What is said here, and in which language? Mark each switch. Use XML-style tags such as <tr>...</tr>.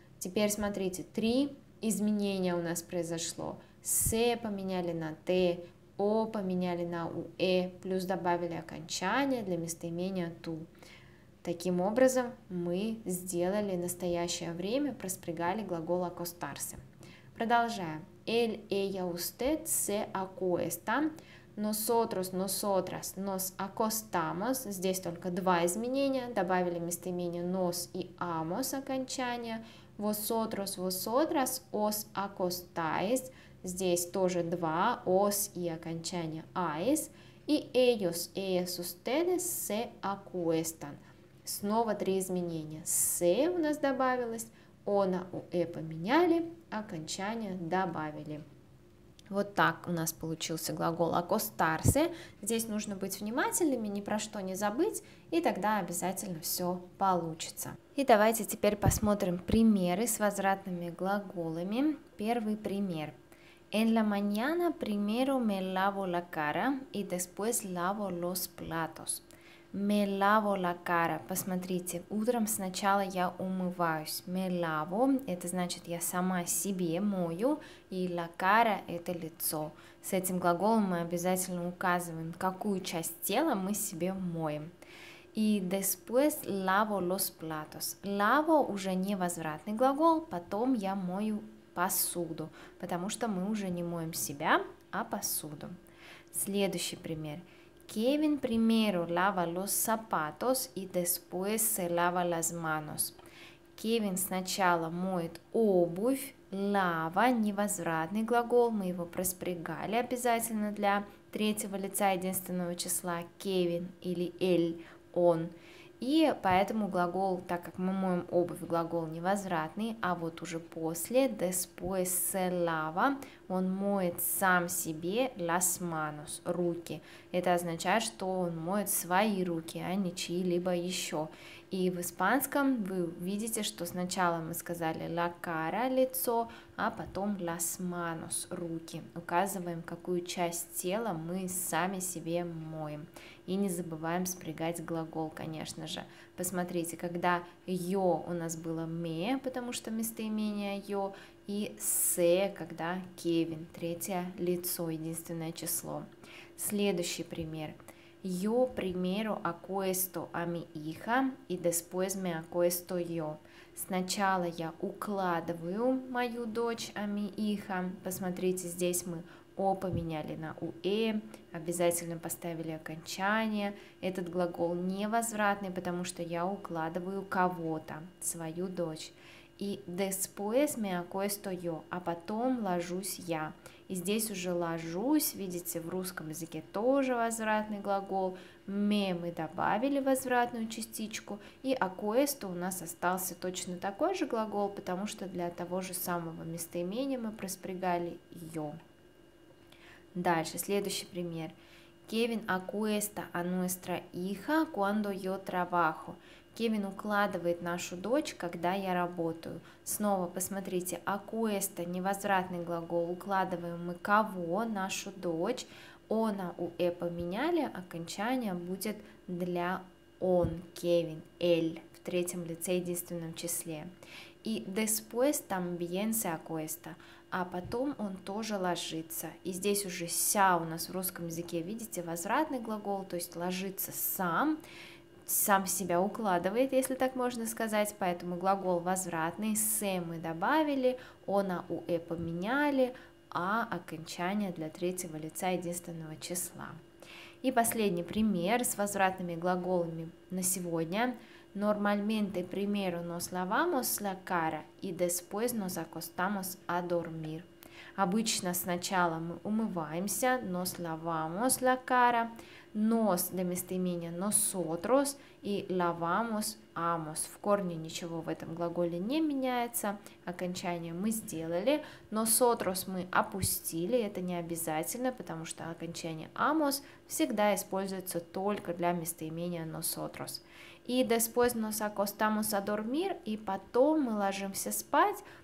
<ru>Теперь смотрите, три изменения у нас произошло. Se поменяли на te, o поменяли на ue, плюс добавили окончание для местоимения tú. Таким образом, мы сделали настоящее время, проспрягали глагол acostarse. Продолжаем.</ru> <es>Él, ella, usted se acuesta. Nosotros, nosotras nos acostamos.</es> <ru>Здесь только два изменения. Добавили местоимение nos и amos окончание.</ru> <es>Vosotros, vosotras os acostáis.</es> <ru>Здесь тоже два. Os и окончание ais.</ru> <es>И ellos, ellas, ustedes se acuestan.</es> <ru>Снова три изменения. «Се» у нас добавилось, «она» у «э» поменяли, окончание добавили. Вот так у нас получился глагол «acostarse». Здесь нужно быть внимательными, ни про что не забыть, и тогда обязательно все получится. И давайте теперь посмотрим примеры с возвратными глаголами. Первый пример.</ru> <es>«En la mañana primero me lavo la cara y después lavo los platos». Me lavo la cara.</es> <ru>Посмотрите, утром сначала я умываюсь.</ru> <es>Me lavo,</es> <ru>это значит я сама себе мою. И la cara, это лицо. С этим глаголом мы обязательно указываем, какую часть тела мы себе моем.</ru> <es>И después lavo los platos.</es> <ru>Lavo уже невозвратный глагол, потом я мою посуду. Потому что мы уже не моем себя, а посуду. Следующий пример.</ru> <es>Kevin primero lava los zapatos y después se lava las manos.</es> <ru>Kevin сначала моет обувь, lava, невозвратный глагол, мы его проспрягали обязательно для третьего лица единственного числа, Kevin или él, он. И поэтому глагол, так как мы моем обувь, глагол невозвратный, а вот уже после,</ru> <es>después se lava,</es> <ru>он моет сам себе</ru> <es>las manos,</es> <ru>руки. Это означает, что он моет свои руки, а не чьи-либо еще. И в испанском вы видите, что сначала мы сказали la cara, лицо, а потом las manos, руки. Указываем, какую часть тела мы сами себе моем. И не забываем спрягать глагол, конечно же. Посмотрите, когда yo у нас было me, потому что местоимение yo, и se, когда Kevin, третье лицо, единственное число. Следующий пример.</ru> <es>Yo primero acuesto a mi hija y después me acuesto yo.</es> <ru>Сначала я укладываю мою дочь,</ru> <es>a mi hija.</es> <ru>Посмотрите, здесь мы о поменяли на уе, обязательно поставили окончание. Этот глагол невозвратный, потому что я укладываю кого-то, свою дочь. И</ru> <es>después me acuesto yo,</es> <ru>а потом ложусь я. И здесь уже ложусь, видите, в русском языке тоже возвратный глагол. Me мы добавили возвратную частичку. И acuesto у нас остался точно такой же глагол, потому что для того же самого местоимения мы проспрягали yo. Дальше, следующий пример.</ru> <es>Kevin acuesta a nuestra hija cuando yo trabajo.</es> <ru>Кевин укладывает нашу дочь, когда я работаю. Снова посмотрите, acuesta, невозвратный глагол, укладываем мы кого, нашу дочь. Она у э поменяли, окончание будет для он, Кевин, эль, в третьем лице единственном числе.</ru> <es>И después también se acuesta.</es> <ru>А потом он тоже ложится. И здесь уже ся у нас в русском языке, видите, возвратный глагол, то есть ложится сам, сам себя укладывает, если так можно сказать. Поэтому глагол возвратный, се мы добавили, она у э поменяли, а окончание для третьего лица единственного числа. И последний пример с возвратными глаголами на сегодня.</ru> <es>Normalmente, primero nos lavamos la cara y después nos acostamos a dormir.</es> <ru>Обычно сначала мы умываемся,</ru> <es>nos lavamos la cara,</es> <ru>nos для местоимения nosotros и lavamos amos. В корне ничего в этом глаголе не меняется, окончание мы сделали, nosotros мы опустили, это не обязательно, потому что окончание amos всегда используется только для местоимения nosotros. И</ru> <es>después nos acostamos a dormir,</es> <ru>и потом мы ложимся спать.</ru>